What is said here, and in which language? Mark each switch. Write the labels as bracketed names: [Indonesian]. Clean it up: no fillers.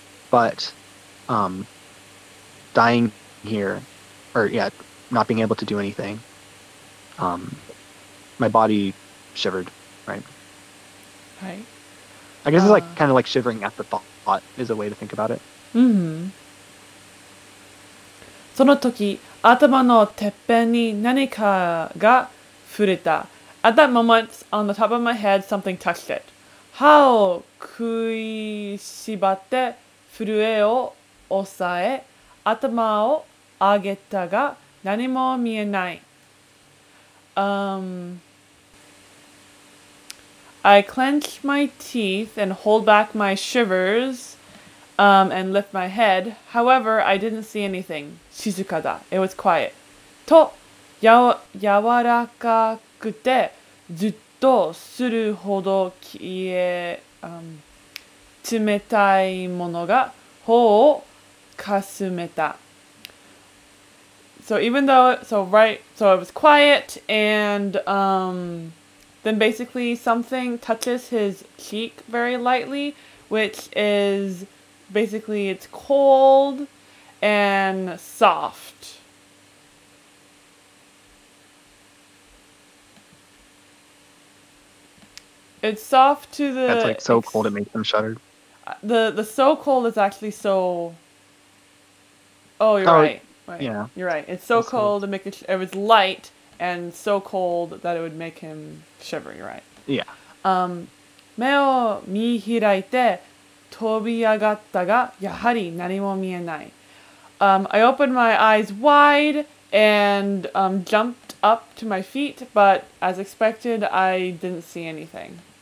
[English] But dying here, not being able to do anything, my body shivered, right? Right. I guess it's like kind of like shivering at the thought is a way to think about it. Mm-hmm. [Japanese] その時、頭のてっぺんに何かが触れた。 [English] At that moment, on the top of my head, something touched it. [Japanese] 歯を食いしばって震えを抑え、頭を上げたが何も見えない。 [English] I clench my teeth and hold back my shivers. And lift my head. However, I didn't see anything. [Japanese] 静かだ。 [English] It was quiet. [Japanese] と、柔らかくて、ずっとするほど消え、冷たいものが頬をかすめた。 [English] So even though, so right, so it was quiet and then basically something touches his cheek very lightly, which is basically it's cold and soft. It's soft to the... That's like so cold it makes them shudder. The so cold is actually so... Oh, you're right. Right. Yeah. You're right. It's so that's cold to make it, it was light and so cold that it would make him shiver, you're right. Yeah. [Japanese] 目を見開いて飛び上がったが、やはり何も見えない。 [English] I opened my eyes wide and jumped up to my feet, but as expected, I didn't see anything.